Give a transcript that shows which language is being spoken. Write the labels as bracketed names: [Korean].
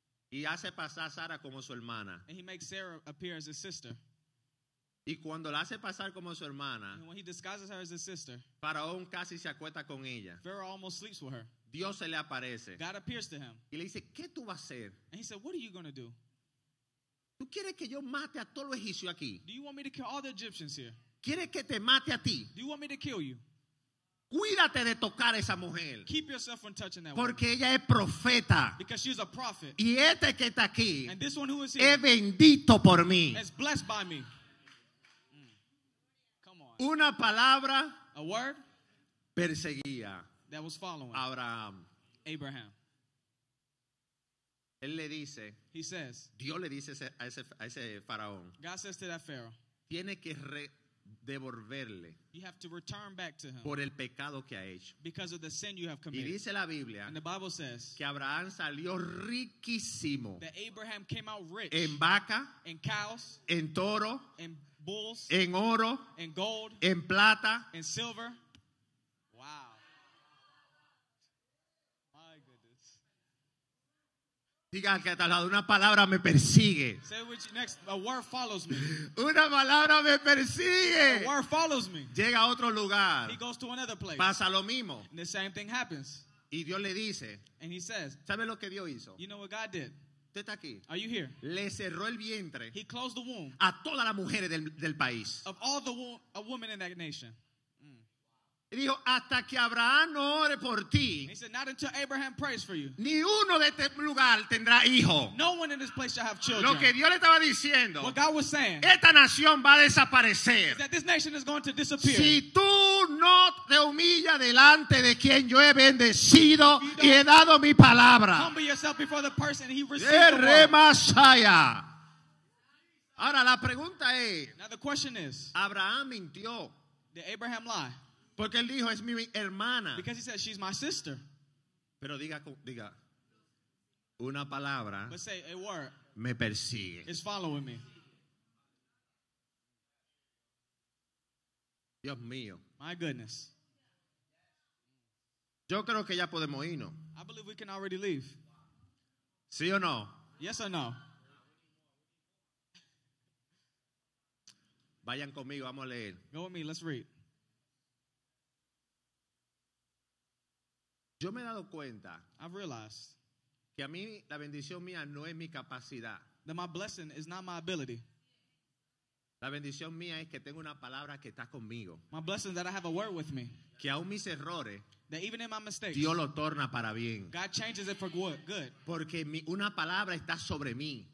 [Spanish] Y hace pasar a Sara como su hermana. [English] And he makes Sarah appear as his sister. [Spanish] Y cuando la hace pasar como su hermana, [English] and when he disguises her as his sister, [Spanish] Faraón casi se acuesta con ella. [English] Pharaoh almost sleeps with her. [Spanish] Dios se le aparece. [English] God appears to him. [Spanish] Y le dice, ¿qué tú vas a hacer? [English] And he said, what are you going to do? [Spanish] ¿Tú quieres que yo mate a todos los egipcios aquí? [English] Do you want me to kill all the Egyptians here? [Spanish] ¿Quieres que te mate a ti? [English] Do you want me to kill you? [Spanish] Cuídate de tocar esa mujer. [English] Keep yourself from touching that [Spanish] porque [English] woman. [Spanish] Ella es profeta. [English] Because she's a prophet. [Spanish] Y este que está aquí. [English] And this one who is here. [Spanish] Es bendito por mí. [English] Is blessed by me. Come on. [Spanish] Una palabra. [English] A word. [Spanish] Perseguía. [English] That was following. [Spanish] Abraham. [English] Abraham. [Spanish] Él le dice. [English] He says. [Spanish] Dios le dice a ese faraón. [English] God says to that Pharaoh. [Spanish] Tiene que devolverle. [English] You have to return back to him. [Spanish] Por el pecado que ha hecho. [English] Because of the sin you have committed. [Spanish] Y dice la Biblia. [English] And the Bible says. [Spanish] Que Abraham salió riquísimo. [English] That Abraham came out rich. [Spanish] En vaca. [English] In cows. [Spanish] En toro. [English] In bulls. [Spanish] En oro. [English] In gold. [Spanish] En plata. [English] In silver. Wow. My goodness. [Spanish] Diga que al lado una palabra me persigue. [English] Say which next, a word follows me. [Spanish] Una palabra me persigue. [English] A word follows me. [Spanish] Llega a otro lugar. [English] He goes to another place. [Spanish] Pasa lo mismo. [English] And the same thing happens. [Spanish] Y Dios le dice. [English] And he says. [Spanish] ¿Sabe lo que Dios hizo? [English] You know what God did. [Spanish] ¿Usted está aquí? [English] Are you here? [Spanish] Le cerró el vientre. [English] He closed the womb. [Spanish] A todas las mujeres del país. [English] Of all the women in that nation. [Spanish] Y dijo, hasta que Abraham no ore por ti. [English] He said, not until Abraham prays for you. [Spanish] Ni uno de este lugar tendrá hijo. [English] No one in this place shall have children. [Spanish] Lo que Dios le estaba diciendo. [English] What God was saying. [Spanish] Esta nación va a desaparecer. [English] Is that this nation is going to disappear. [Spanish] Si tú no te humillas delante de quien yo he bendecido y he dado mi palabra. [English] Humble yourself before the person he received the [Spanish] word. Ahora la pregunta es. [English] Now the question is. [Spanish] Abraham mintió. [English] Did Abraham lie? [Spanish] Porque él dijo, es mi hermana. [English] Because he said, she's my sister. [Spanish] Pero diga una palabra. [English] But say a word. [Spanish] Me persigue. [English] It's following me. [Spanish] Dios mío. [English] My goodness. [Spanish] Yo creo que ya podemos irnos. [English] I believe we can already leave. [Spanish] ¿Sí o no? [English] Yes or no. [Spanish] Vayan conmigo, vamos a leer. [English] Go with me, let's read. [Spanish] Yo me he dado cuenta. [English] I've realized [Spanish] que a mí la bendición mía no es mi capacidad. [English] That my blessing is not my ability. [Spanish] La bendición mía es que tengo una palabra que está conmigo. [English] My blessing that I have a word with me. [Spanish] Que aun mis errores, [English] that even in my mistakes, [Spanish] Dios lo torna para bien. [English] God changes it for good. [Spanish] Porque una palabra está sobre mí.